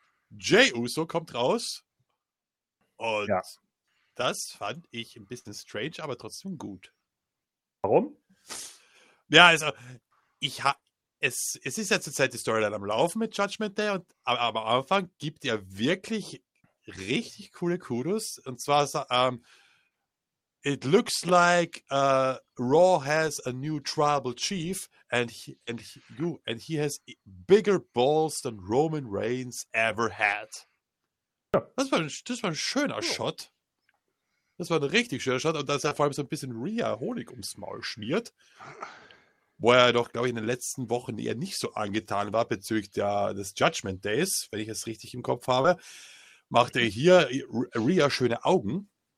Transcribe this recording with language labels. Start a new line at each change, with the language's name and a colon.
German: Jey Uso kommt raus. Und ja. Das fand ich ein bisschen strange, aber trotzdem gut. Warum? Ja, also, es ist ja zurzeit die Storyline am Laufen mit Judgment Day, und am Anfang gibt er wirklich richtig coole Kudos. Und zwar,
English: it looks like Raw has a new tribal chief and he has bigger balls than Roman Reigns ever had.
German: Ja. Das war ein schöner Shot. Das war ein richtig schöner Shot, und dass er vor allem so ein bisschen Rhea Honig ums Maul schmiert, wo er doch, glaube ich, in den letzten Wochen eher nicht so angetan war bezüglich des Judgment Days, wenn ich es richtig im Kopf habe, macht er hier Rhea schöne Augen.